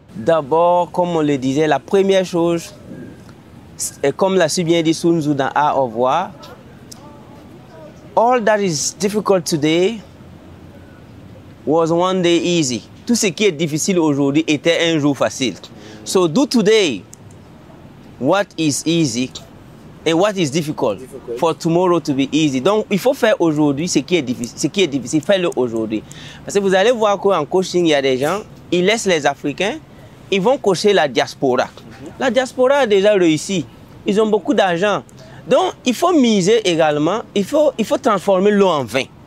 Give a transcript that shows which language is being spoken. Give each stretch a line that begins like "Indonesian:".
French: D'abord, comme on le disait, la première chose, et comme l'a si bien dit Sun Tzu dans A au revoir,
English: all that is difficult today was one day easy.
French: Tout ce qui est difficile aujourd'hui était un jour facile.
English: So do today what is easy and what is difficult for tomorrow to be easy.
French: Donc il faut faire aujourd'hui ce qui est difficile, fais-le aujourd'hui. Parce que vous allez voir qu'en coaching, il y a des gens, ils laissent les Africains, ils vont coacher la diaspora. La diaspora a déjà réussi, ils ont beaucoup d'argent. Donc, il faut miser également, il faut transformer l'eau en vin.